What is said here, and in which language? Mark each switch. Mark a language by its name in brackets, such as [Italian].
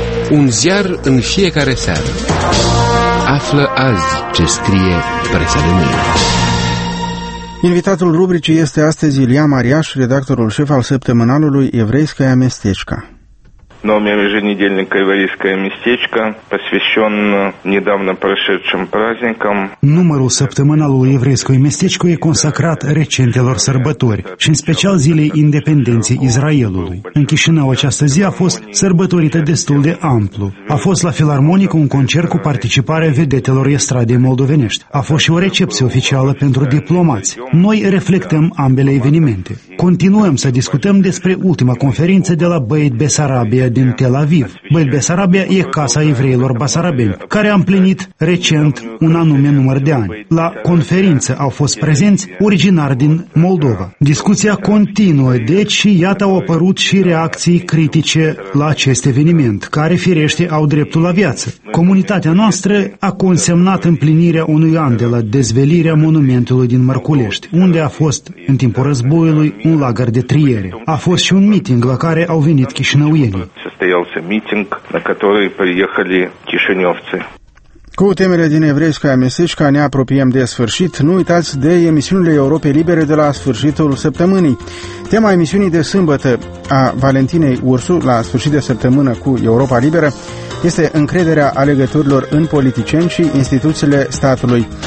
[Romanian] Un ziar în fiecare seară. Află azi ce scrie presa de mâine. Invitatul rubricii este astăzi Ilia Mariaș, redactorul șef al săptămânalului Evreiska Mesteșca. [Russian] номер еженедельника «Еврейское местечко», посвящен недавно прошедшим праздникам. [Romanian] Номерul săptămânalului «Еврейское местечко» e consacrat recentelor sărbători și în special zilei independenței Israelului. În Chișinău această zi a fost sărbătorită destul de amplu. A fost la Filarmonică un concert cu participarea vedetelor estradei moldovenești. A fost și o recepție oficială pentru diplomați. Noi reflectăm ambele evenimente. Continuăm să discutăm despre ultima conferință de la Beit Besarabia din Tel Aviv. Beit Besarabia e casa evreilor basarabeni, care a împlinit recent un anume număr de ani. La conferință au fost prezenți originari din Moldova. Discuția continuă, deci și iată au apărut și reacții critice la acest eveniment, care firește au dreptul la viață. Comunitatea noastră a consemnat împlinirea unui an de la dezvelirea monumentului din Mărculești, unde a fost, în timpul războiului, un lagăr de triere. A fost și un miting la care au venit chișinăuienii. [Russian] Состоялся митинг, на который приехали кишиневцы. [Romanian] Cu temele din Evreiescaia Mesișca ne apropiem de sfârșit. Nu uitați de emisiunile Europei Libere de la sfârșitul săptămânii. Tema emisiunii de sâmbătă a Valentinei Ursu la sfârșit de săptămână cu Europa Liberă este încrederea alegătorilor în politicieni și instituțiile statului.